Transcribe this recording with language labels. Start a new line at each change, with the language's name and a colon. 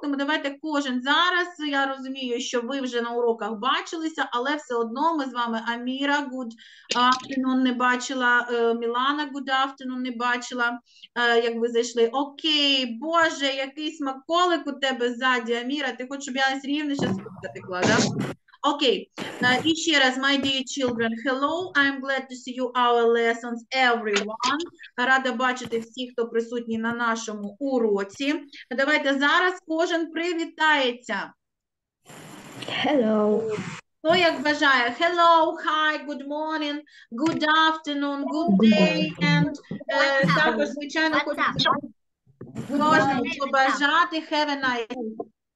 Ukrainian: Тому давайте кожен зараз, я розумію, що ви вже на уроках бачилися, але все одно ми з вами Аміра,
English: good afternoon,
Ukrainian: не бачила, Мілана, good afternoon, не бачила, як ви зайшли. Окей, боже, який смаколик у тебе ззаді, Аміра, ти хочеш, щоб я з рівнища спотикла, так?
English: Okay,
Ukrainian: і ще раз,
English: my dear children, hello, I'm glad to see you our lessons, everyone.
Ukrainian: Рада бачити всіх, хто присутній на нашому уроці. Давайте зараз кожен привітається.
English: Hello.
Ukrainian: Хто як бажає?
English: Hello, hi, good morning, good afternoon, good day. And
Ukrainian: також, звичайно, кожному побажати
English: have a nice day.